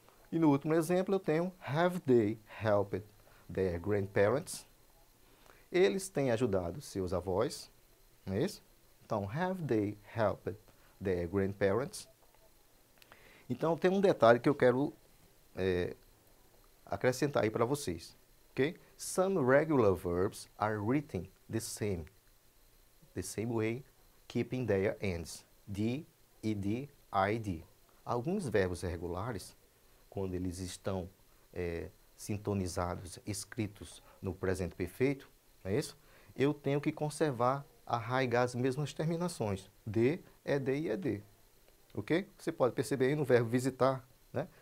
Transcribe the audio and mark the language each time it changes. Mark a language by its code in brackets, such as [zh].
[pt] E no último exemplo, eu tenho [en] Have they helped their grandparents? [pt] Eles têm ajudado seus avós, não é isso? Então, [en] have they helped their grandparents? [pt] Então, tem um detalhe que eu quero acrescentar aí para vocês, ok? [en] Some regular verbs are written the same way, keeping their ends, D, ED, ID. [pt] Alguns verbos regulares, quando eles estão sintonizados, escritos no presente perfeito, não é isso? Eu tenho que conservar, arraigar as mesmas terminações. D, ED e ED. Ok? Você pode perceber aí no verbo visitar, né?